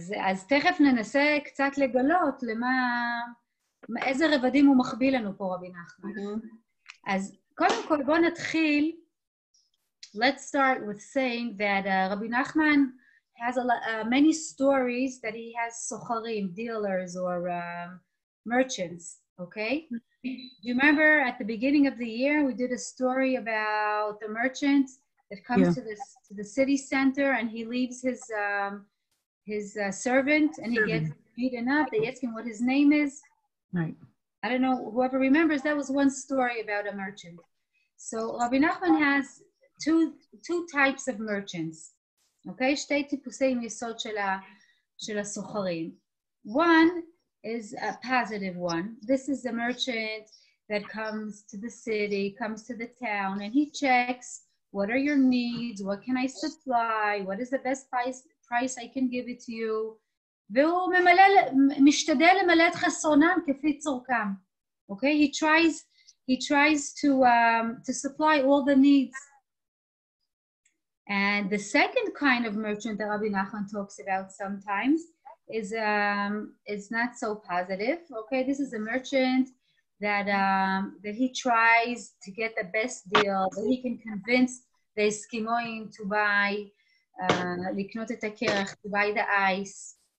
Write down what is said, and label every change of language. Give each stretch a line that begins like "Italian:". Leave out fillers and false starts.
Hebrew: אז תכף ננסה קצת לגלות למה... איזה רבדים הוא מכביל לנו פה, רבי נחמן. אז קודם כל, בוא נתחיל.
English: Let's start with saying that רבי נחמן has many stories that he has סוחרים, dealers or merchants, okay? Do you remember at the beginning of the year we did a story about the merchant that comes yeah. to the city center and he leaves his servant and servant. He gets beaten up. They ask him what his name is. Right. I don't know, whoever remembers, that was one story about a merchant. So Rabbi Nachman has two types of merchants. Okay?
Hebrew: שתי טיפוסי מיסוד של הסוחרים.
English: One is a positive one. This is a merchant that comes to the city, comes to the town, and he checks, what are your needs? What can I supply? What is the best price I can give it to you?
Hebrew: והוא ממלא, משתדל למלא את חסרונם כפי צורכם.
English: Okay, he tries to supply all the needs. And the second kind of merchant that Rabbi Nachman talks about sometimes is not so positive. Okay, this is a merchant that he tries to get the best deal, that he can convince the Eskimoim to buy,
Hebrew: לקנות את הקרח,
English: to buy the ice.